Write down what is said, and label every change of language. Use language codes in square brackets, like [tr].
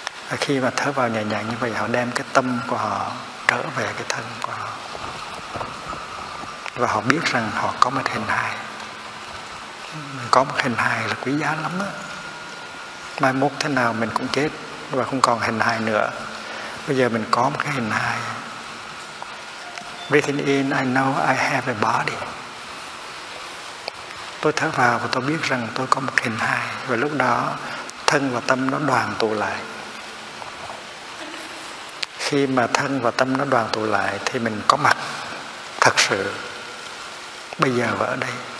[vi] Và khi mà thở vào nhẹ nhàng như vậy, họ đem cái tâm của họ trở về cái thân của họ, và họ biết rằng họ có một hình hài. Có một hình hài là quý giá lắm đó. Mai mốt thế nào mình cũng chết và không còn hình hài nữa. Bây giờ mình có một cái hình hài. [en] Breathing in, I know I have a body. [vi] Tôi thở vào và tôi biết rằng tôi có một hình hài. Và lúc đó thân và tâm nó đoàn tụ lại. Khi mà thân và tâm nó đoàn tụ lại thì mình có mặt thật sự bây giờ và ở đây.